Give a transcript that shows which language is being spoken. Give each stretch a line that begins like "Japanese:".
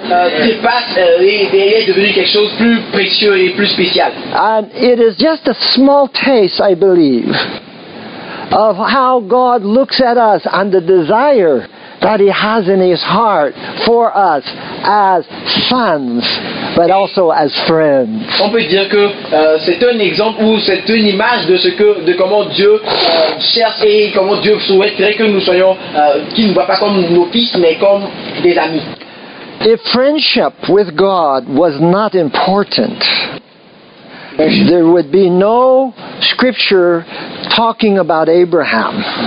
French: Est devenu quelque chose plus précieux et plus spécial.
English: And it is just a small taste, I believe, of how God looks at us and the desire that he has in his heart for us as sons, but also as friends.
French: On peut dire que c'est un exemple ou c'est une image de ce que, de comment Dieu cherche et comment Dieu souhaiterait que nous soyons, qu'il ne nous voit pas comme nos fils, mais comme des amis.
English: If friendship with God was not important, there would be no scripture talking about Abraham.